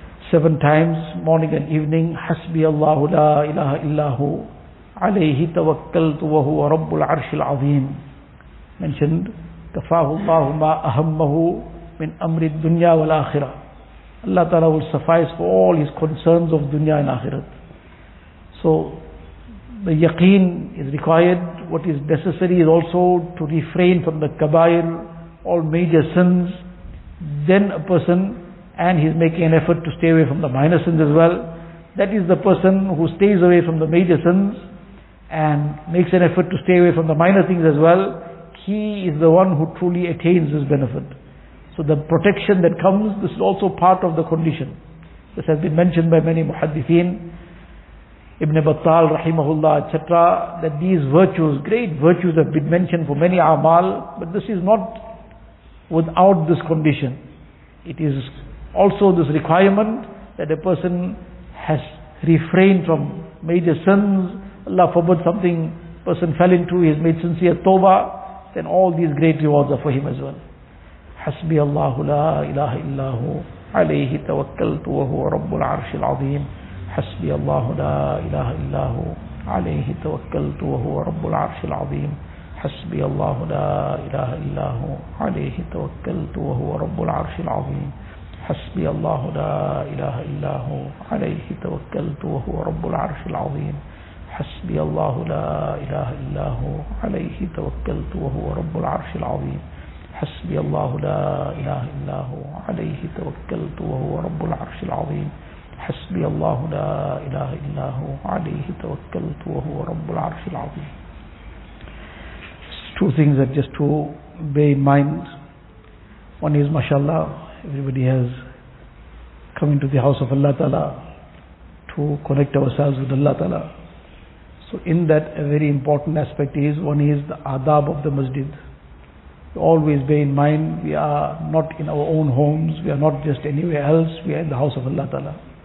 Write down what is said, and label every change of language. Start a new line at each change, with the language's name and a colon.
English: 7 times morning and evening
Arabic: حسبي الله لا إله إلا هو عليه توكلت وهو رب العرش العظيم
English: mentioned
Arabic: كفاه الله ما أهمه من أمر الدنيا والآخرة
English: Allah Ta'ala will suffice for all his concerns of dunya and akhirat So the yaqeen is required. What is necessary is also to refrain from the kabair, all major sins. Then a person, and he's making an effort to stay away from the minor sins as well. That is the person who stays away from the major sins and makes an effort to stay away from the minor things as well. He is the one who truly attains this benefit. So the protection that comes, this is also part of the condition. This has been mentioned by many muhaddithin. Ibn Battal, Rahimahullah, etc., that these virtues, great virtues have been mentioned for many amal, but this is not without this condition. It is also this requirement that a person has refrained from major sins, Allah forbid something person fell into, he has made sincere tawbah, then all these great rewards are for him as well.
Arabic: حسبي الله لا إله إلا هو عليه توكلت وهو رب العرش العظيم حسبي الله لا إله إلا هو عليه توكلت وهو رب العرش العظيم حسبي الله لا إله إلا هو عليه توكلت وهو رب العرش العظيم حسبي الله لا إله إلا هو عليه توكلت وهو رب العرش العظيم حسبي الله لا إله إلا هو عليه توكلت وهو رب العرش العظيم حسبي الله لا إله إلا هو عليه توكلت وهو رب العرش العظيم حسبي الله لا إله إلا هو عليه توكلت وهو رب العرش العظيم
English: Two things that just to bear in mind. One is, mashallah, everybody has come into the house of Allah Ta'ala to connect ourselves with Allah Ta'ala. So in that, a very important aspect is, one is the adab of the masjid. Always bear in mind, we are not in our own homes, we are not just anywhere else, we are in the house of Allah Ta'ala.